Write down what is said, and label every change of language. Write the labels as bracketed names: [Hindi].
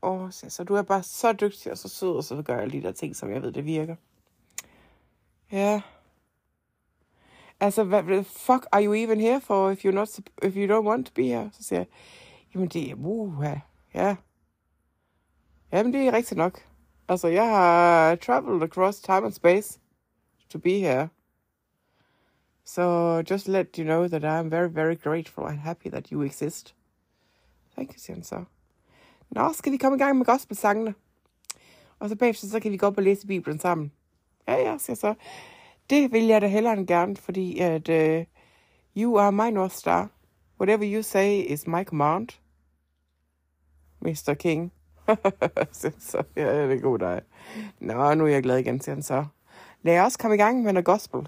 [Danish] Så du er bare så dygtig og så sød, og så gør jeg lige der ting, som jeg ved, det virker. Ja. [English] Altså, what the fuck are you even here for, if you don't want to be here? [Danish] Så siger jeg, jamen det er, ja. Jamen det er rigtigt nok. Altså, jeg har [English] traveled across time and space to be here. So just let you know that I'm very, very grateful and happy that you exist. Thank you, Sansa. [Danish] Nå, skal vi komme i gang med gospelsangene? Og så bagefter, så kan vi gå op og læse Bibelen sammen. Ja, ja, siger så. Det vil jeg da hellere end gerne, fordi at [English] you are my North Star. Whatever you say is my command. [Danish] Mr. King. Så, ja, det er god dig. Nå, nu er jeg glad igen, siger han så. Lad os komme i gang med noget gospel.